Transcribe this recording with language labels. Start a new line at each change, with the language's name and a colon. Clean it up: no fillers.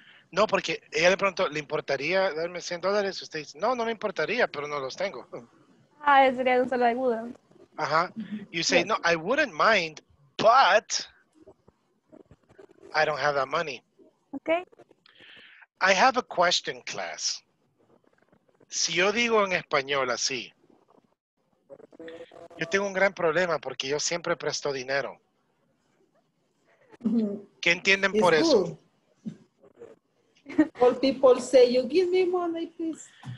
Spanish: No, porque ella de pronto le importaría darme $100, usted dice, no, no me importaría, pero no los tengo. Ah, sería un solo
English: I wouldn't. Ajá, uh-huh. You say, yes. No, I wouldn't mind, but I don't have that money. Okay. I have a question, class.
Spanish: Si yo digo en español así, yo tengo un gran problema porque yo siempre presto dinero. ¿Qué entienden por eso?
English: All people say, you give me money, please.